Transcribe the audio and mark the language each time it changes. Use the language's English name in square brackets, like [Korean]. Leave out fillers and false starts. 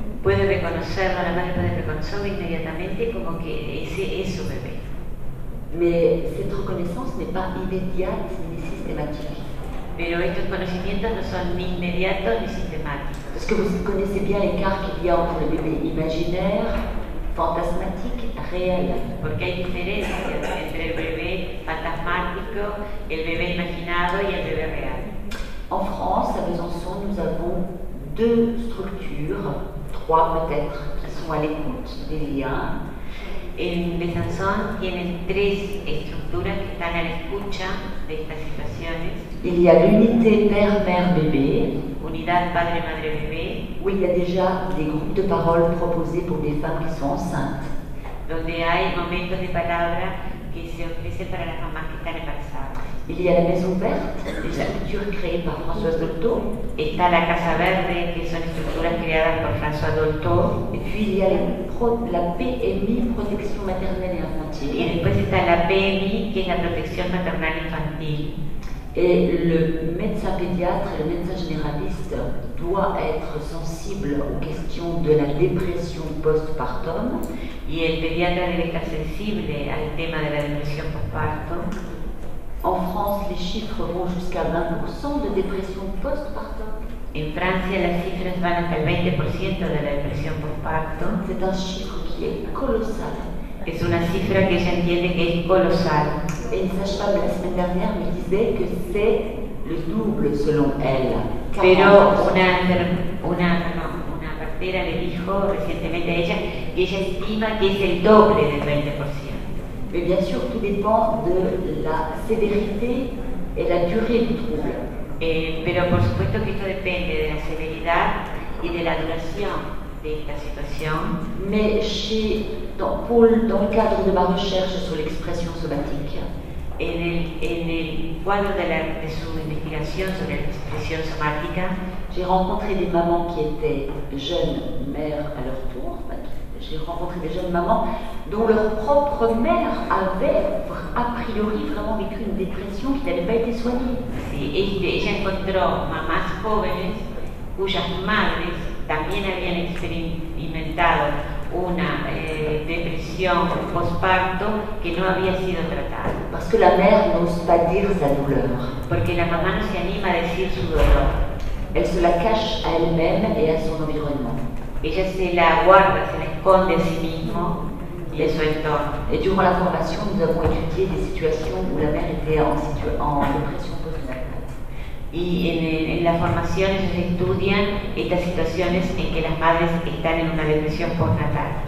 [Spanish] Puede reconocerlo, la madre puede reconocerlo inmediatamente como que ese es su bebé. [French] Mais cette reconnaissance n'est pas immédiate ni systématique. [Spanish] Pero estos conocimientos no son ni inmediatos ni sistemáticos. [French] Parce que vous connaissez bien l'écart qu'il y a entre les bébés imaginaires, fantasmatiques, réels. [Spanish] Porque hay diferencia entre el bebé fantasmático, el bebé imaginado y el bebé real. [French] En France, à Besançon, nous avons deux structures, trois peut-être, qui sont à l'écoute des liens. [Spanish] En Besançon tienen tres estructuras que están a la escucha de estas situaciones. [French] Il y a l'unité père-mère-bébé, [Spanish] unidad padre-madre-bébé, [French] où il y a déjà des groupes de parole proposés pour des femmes qui sont enceintes. [Spanish] Donde hay momentos de palabra que se ofrecen para las mamás que están embarazadas. [French] Il y a la maison verte, des structures créées par François Dolto. [Spanish] Está la casa verde, que son estructuras creadas por François Dolto. [French] Et puis il y a la PMI, protection maternelle et infantile. [Spanish] Y después está la PMI, que es la protección maternal infantil. [French] Et le médecin pédiatre et le médecin généraliste doit être sensible aux questions de la dépression postpartum. [Spanish] Y el pediatra debe estar sensible al tema de la depresión postpartum. [French] En France, les chiffres vont jusqu'à 20% de dépression postpartum. [Spanish] En Francia, las cifras van hasta el 20% de la depresión postpartum. [French] C'est un chiffre qui est colossal. [Spanish] Es una cifra que ella entiende que es colosal. [French] Et une sage-femme la semaine dernière me disait que c'est le double selon elle. [Spanish] Pero una partera le dijo recientemente a ella que ella estima que es el doble del 20%. [French] Mais bien sûr, tout dépend de la sévérité et la durée du trouble. [Spanish] Pero por supuesto que esto depende de la severidad y de la duración de esta situación. [French] Mais dans le cadre de ma recherche sur l'expression somatique, [Spanish] en el cuadro de su investigación sobre la expresión somática, [French] j'ai rencontré des mamans qui étaient jeunes mères à leur tour. J'ai rencontré des jeunes mamans dont leur propre mère avait a priori vraiment vécu une dépression qui n'avait pas été soignée. [Spanish] Sí, ella encontró mamás jóvenes cuyas madres también habían experimentado una depresión postparto que no había sido tratada. [French] Parce que la mère n'ose pas dire sa douleur. [Spanish] Porque la mamá no se anima a decir su dolor. [French] Elle se la cache à elle-même et à son environnement. [Spanish] Ella se la guarda, se la esconde a sí mismo y a su entorno. [French] Et durant la formation, nous avons étudié des situations où la mère était en dépression postnatale. [Spanish] Y en la formación ellos estudian estas situaciones en que las madres están en una depresión postnatal.